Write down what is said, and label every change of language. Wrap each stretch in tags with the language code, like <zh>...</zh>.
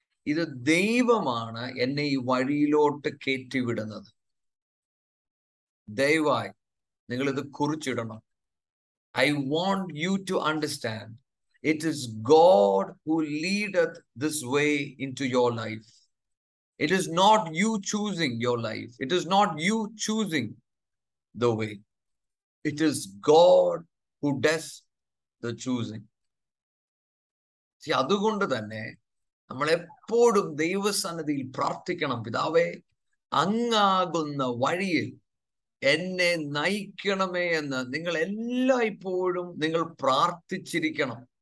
<ml>ഇത് ദൈവമാണ് എന്നെ ഈ വഴിയിലോട്ട് കയറ്റിവിടുന്നത്. ദയവായി നിങ്ങൾ ഇത് കുറിച്ചിടണം.</ml> <en>I want you to understand it is God who lead this way in to your life. It is not you choosing your life. It is not you choosing the way. It is God who does choosing.</en> <ml>അതുകൊണ്ട് തന്നെ നമ്മൾ എപ്പോഴും ദൈവസന്നിധിയിൽ പ്രാർത്ഥിക്കണം, പിതാവേ അങ്ങാകുന്ന വഴിയിൽ എന്നെ നയിക്കണമേ എന്ന് നിങ്ങൾ എല്ലായ്പ്പോഴും നിങ്ങൾ പ്രാർത്ഥിച്ചിരിക്കണം.</ml>